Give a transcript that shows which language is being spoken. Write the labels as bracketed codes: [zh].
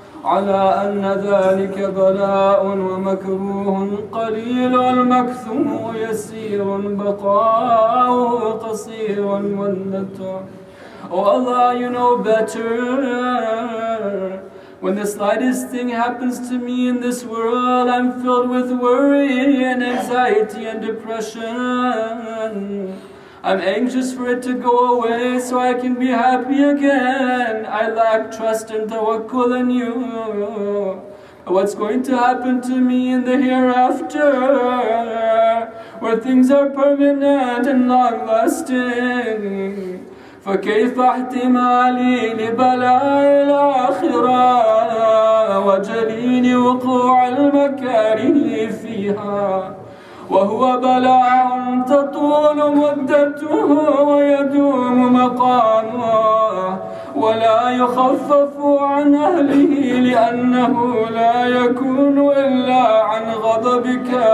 [ar] على أن ذلك بلاء ومكروه قليل المكثم يسير بقاؤه قصير والله [en] you know better when the slightest thing happens to me in this world I'm filled with worry and anxiety and depression I'm anxious for it to go away so I can be happy again. I lack trust and tawakkul in you. What's going to happen to me in the hereafter, where things are permanent and long-lasting? [ar] فكيف احتمالي لبلاء الآخرة وجليل وقوع المكاره فيها؟ وهو بلاء تطول مدته ويدوم مقامه ولا يخفف عن أهله لأنه لا يكون إلا عن غضبك